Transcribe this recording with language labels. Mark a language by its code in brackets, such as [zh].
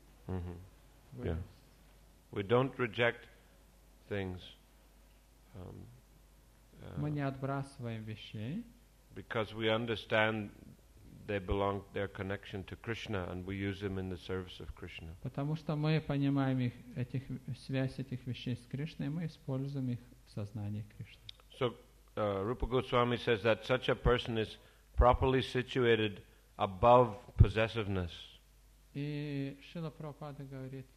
[en] Mm-hmm. Yeah. We don't reject things. [ru] Мы не отбрасываем вещей. [en] Because we understand they belong, their connection to Krishna, and we use them in the service of Krishna. [ru] Потому что мы понимаем их этих связь этих вещей с Кришной, мы используем их в сознании Кришны. [en] So Rupa Goswami says that such a person is properly situated above possessiveness. [ru] И Шрила Прабхупада говорит.